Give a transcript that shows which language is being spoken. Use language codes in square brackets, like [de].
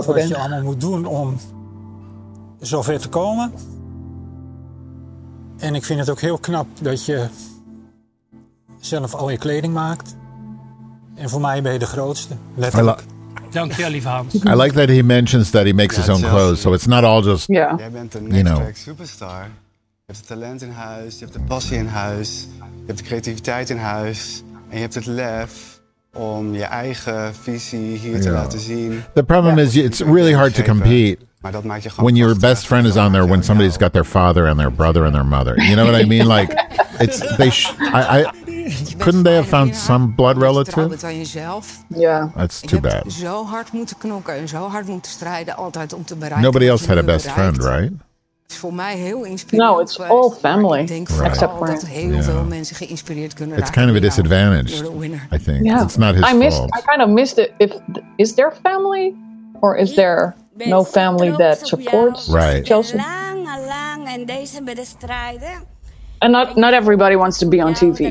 [nl] Ik weet wat je allemaal moet doen om zover te komen. En ik vind het ook heel knap dat je zelf al je kleding maakt. En voor mij ben je de grootste. Letterlijk. Dank je, lieve Hans. [en] I like that he mentions that he makes his own clothes. So it's not all just, yeah. [nl] Jij bent een next track superstar. Je hebt het talent in huis. Je hebt de passie in huis. Je hebt de creativiteit in huis. En je hebt het lef. Om je eigen visie hier te laten zien. [en] The problem is, it's really hard to compete when your best friend is on there when somebody's got their father and their brother and their mother. You know what I mean? Like, it's they. I couldn't they have found some blood relative? Yeah, that's too bad. Nobody else had a best friend, right? [nl] Voor mij heel inspirerend. [en] No, it's all family, right. Except for [nl] dat heel veel mensen geïnspireerd kunnen raken. [en] It's kind of a disadvantage, I think. Yeah. It's not his fault. I kind of missed it. If is there family, or is there no family that supports Chelsea? Right. And not everybody wants to be on TV.